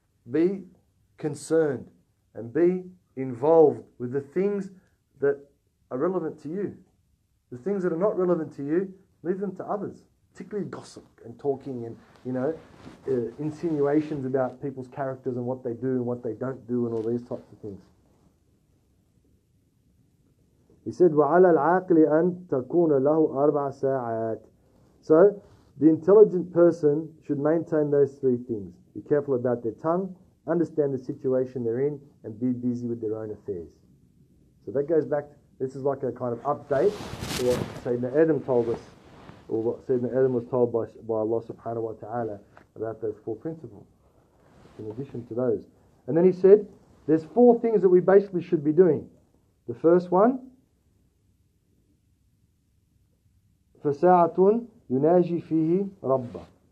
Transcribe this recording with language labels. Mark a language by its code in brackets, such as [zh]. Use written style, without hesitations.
[en] Be concerned and be involved with the things that are relevant to you. The things that are not relevant to you, leave them to others. Particularly gossip and talking and, you know, insinuations about people's characters and what they do and what they don't do and all these types of things. He said, [ar] وَعَلَى الْعَاقِلِ أَن تَكُونَ لَهُ أَرْبَعَ سَاعَاتٍ. [en] So, the intelligent person should maintain those three things. Be careful about their tongue, understand the situation they're in, and be busy with their own affairs. So that goes back, this is like a kind of update to what Sayyidina Adam told us, or what Sayyidina Adam was told by Allah subhanahu wa ta'ala about those four principles, in addition to those. And then he said, there's four things that we basically should be doing. The first one, [ar] فَسَاعَةٌ يُنَاجِي فِيهِ رَبَّهِ.